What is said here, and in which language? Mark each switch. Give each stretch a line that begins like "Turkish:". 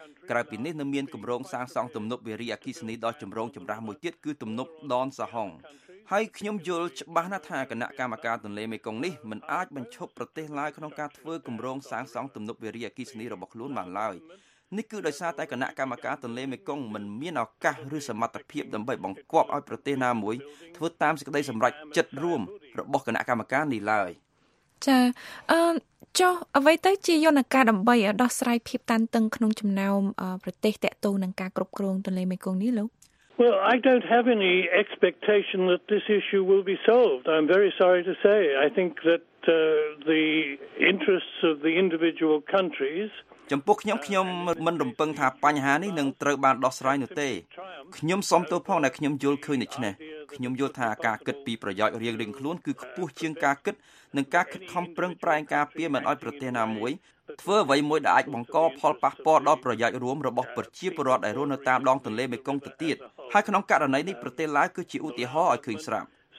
Khmer: ក្រៅពីនេះនៅមានគម្រោងសាងសង់ទំនប់វារីអគ្គិសនីដ៏ចម្រូងចម្រាសមួយទៀតគឺទំនប់ដនសាហុងហើយខ្ញុំយល់ច្បាស់ណាស់ថាគណៈកម្មការទន្លេមេគង្គនេះមិនអាចបញ្ឈប់ប្រទេសឡាវក្នុងការធ្វើគម្រោងសាងសង់ទំនប់វារីអគ្គិសនីរបស់ខ្លួនបានឡើយនេះគឺដោយសារតែគណៈកម្មការទន្លេមេគង្គមិនមានឱកាសឬសមត្ថភាពដើម្បីបង្គាប់ឲ្យប្រទេសណាមួយធ្វើតាមសេចក្តីសម្រេចចិត្តរួមរបស់គណៈកម្មការនេះឡើយ ចាអឺចុះអ្វីទៅជាយន្តការដើម្បីដោះស្រាយភាពតានតឹងក្នុងចំណោមប្រទេសតាក់ទងនឹងការគ្រប់គ្រងទន្លេមេគង្គនេះលោក
English: Well I don't have any expectation that this issue will be solved I'm very sorry to say I think that the interests of the individual countries
Khmer: ចំពោះខ្ញុំមិនរំពឹងថាបញ្ហានេះនឹងត្រូវបានដោះស្រាយនោះទេខ្ញុំសុំទោសផងដែលខ្ញុំយល់ឃើញដូច្នេះខ្ញុំយល់ថាការគិតពីប្រយោជន៍រៀងៗខ្លួនគឺខ្ពស់ជាងការគិតនឹងការខិតខំប្រឹងប្រែងការពារមិនឲ្យប្រទេសណាមួយធ្វើអ្វីមួយដែលអាចបង្កផលប៉ះពាល់ដល់ប្រយោជន៍រួមរបស់ប្រជាពលរដ្ឋដែលរស់នៅតាមដងទន្លេមេគង្គទៅទៀតហើយក្នុងករណីនេះប្រទេសឡាវគឺជាឧទាហរណ៍ឲ្យឃើញស្រាប់